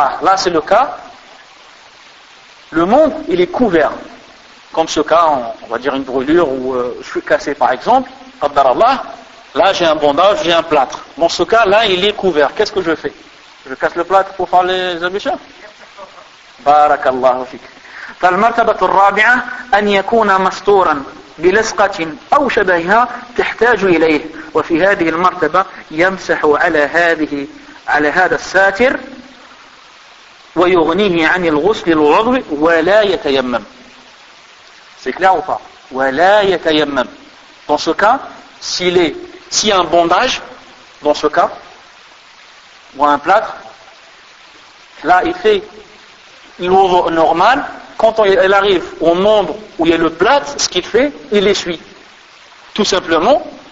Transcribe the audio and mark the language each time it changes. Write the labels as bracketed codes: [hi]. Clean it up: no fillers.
[fr] لا سلوكا le monde il est couvert comme ce cas on va dire une brûlure ou je suis cassé par exemple là j'ai un bandage, j'ai un plâtre, dans ce cas là il est couvert, qu'est-ce que je fais? Je casse le plâtre pour faire les ablutions. Barakallahu fik. [ar] فالمرتبة الرابعة أن يكون مستورا بلصقة أو شبهها تحتاج إليه، وفي هذه المرتبة يمسح على هذه على هذا الساتر ويغنيه عن الغسل العضوي ولا يتيمم. ولا يتيمم. [fr] Dans ce cas, s'il est si un bandage dans ce cas ou un plâtre, là il fait l'ouvre normal. Quand elle arrive au membre où il y a le plâtre, ce qu'il fait, il essuie. Tout simplement.